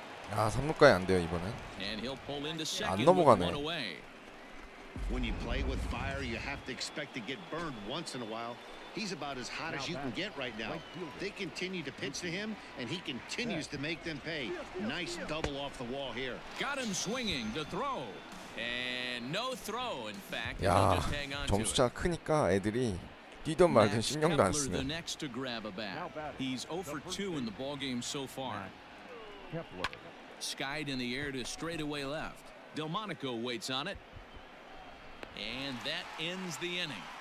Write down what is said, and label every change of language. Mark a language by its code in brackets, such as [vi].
[ko] 야, 3루까지 안 돼요, 이번엔. 안 넘어가네. [en] When you play with fire, you have to expect to get burned once in a while. He's about as hot as you can get right now. They continue to pitch to him, and he continues to make them pay. Nice double off the wall here. Got him swinging the throw, and no throw. In fact, [ko] 야, 점수차 크니까 애들이 뛰던 말든 신경도 안 쓰네. [en] Next to grab a bat. He's 0 for 2 in the ball game so far. Skied in the air to straightaway left. Delmonico waits on it, and that ends the inning.